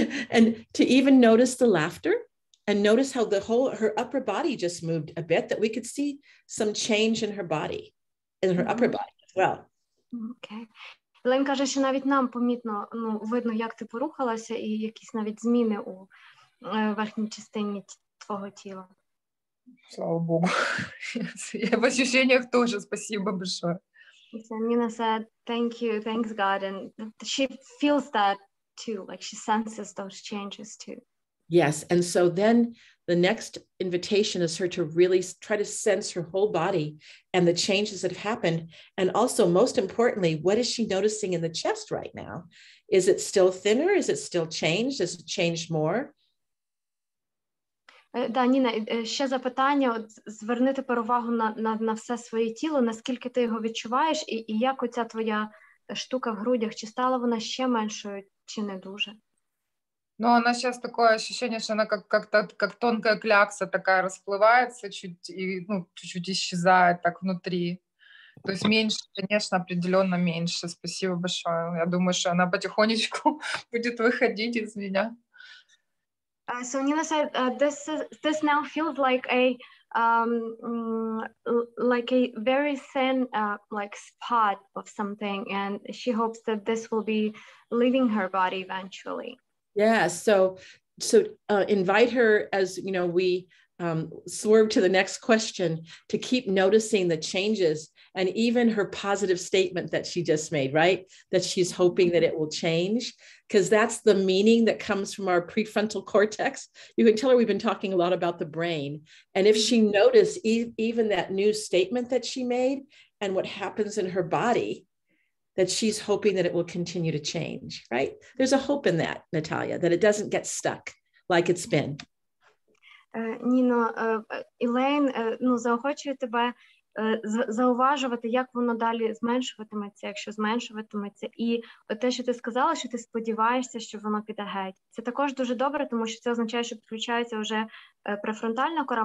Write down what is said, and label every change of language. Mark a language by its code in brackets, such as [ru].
[en] And to even notice the laughter and notice how the whole her upper body just moved a bit, that we could see some change in her body, in her upper body as well. Okay. [uk] Лен каже, що навіть нам помітно, ну, видно, як ти порухалася і якісь навіть зміни у верхній частині твого тіла. Слава Богу. [ru] Я в ощущеннях теж, спасибо большое. [en] Ніна said, thank you, thanks God. And she feels that too, like she senses those changes too. Yes, and so then the next invitation is her to really try to sense her whole body and the changes that have happened. And also, most importantly, what is she noticing in the chest right now? Is it still thinner? Is it still changed? Has it changed more? [uk] Да, Ніна, ще запитання, от зверни тепер увагу на все своє тіло, наскільки ти його відчуваєш, і як оця твоя штука в грудях, чи стала вона ще меншою, чи не дуже? Ну, вона зараз таке відчуття, що вона як тонка клякса така розпливається, чуть-чуть ісчезає так внутрі. Тобто менше, звісно, определенно менше. [ru] Спасибо большое. [uk] Я думаю, що вона потихонечку буде виходити з мене. [en] So Nina said, this now feels like a very thin like spot of something, and she hopes that this will be leaving her body eventually. Yeah, so invite her, as you know, we swerve to the next question, to keep noticing the changes and even her positive statement that she just made, right? That she's hoping that it will change, because that's the meaning that comes from our prefrontal cortex. You can tell her we've been talking a lot about the brain. And if she noticed even that new statement that she made and what happens in her body, that she's hoping that it will continue to change, right? There's a hope in that, Natalia, that it doesn't get stuck like it's been. [uk] Ніно, Елейн, ну, заохочую тебе зауважувати, як воно далі зменшуватиметься, якщо зменшуватиметься. І те, що ти сказала, що ти сподіваєшся, що воно піде геть. Це також дуже добре, тому що це означає, що підключається вже префронтальна кора.